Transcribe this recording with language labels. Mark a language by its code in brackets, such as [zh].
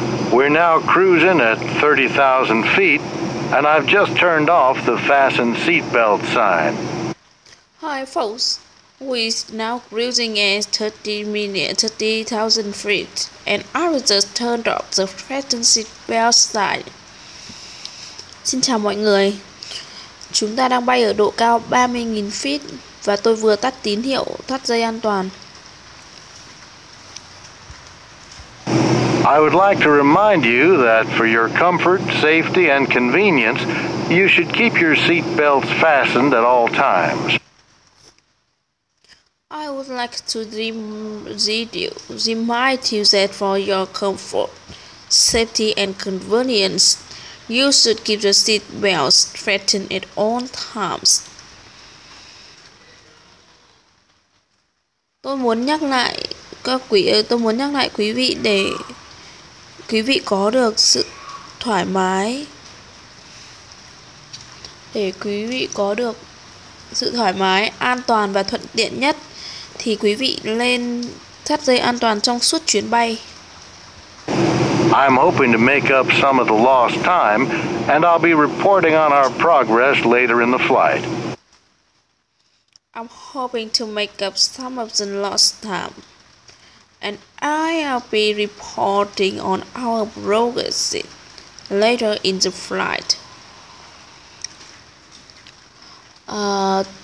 [en] We're now cruising at 30,000 feet, and I've just turned off the fasten seatbelt sign. Hi, folks. We're now cruising at 30,000 feet, and I've just turned off the fasten seatbelt sign. [vi] Xin chào mọi người. Chúng ta đang bay ở độ cao 30.000 feet và tôi vừa tắt tín hiệu thắt dây an toàn. [en] I would like to remind you that for your comfort, safety and convenience, you should keep your seat belts fastened at all times. I would like to remind you that for your comfort, safety and convenience, you should keep the seat belts fastened at all times. [vi] Tôi muốn nhắc lại quý vị để quý vị có được sự thoải mái. Để quý vị có được sự thoải mái, an toàn và thuận tiện nhất thì quý vị nên thắt dây an toàn trong suốt chuyến bay. [en] I'm hoping to make up some of the lost time and I'll be reporting on our progress later in the flight. I'm hoping to make up some of the lost time. And I'll be reporting on our progress later in the flight.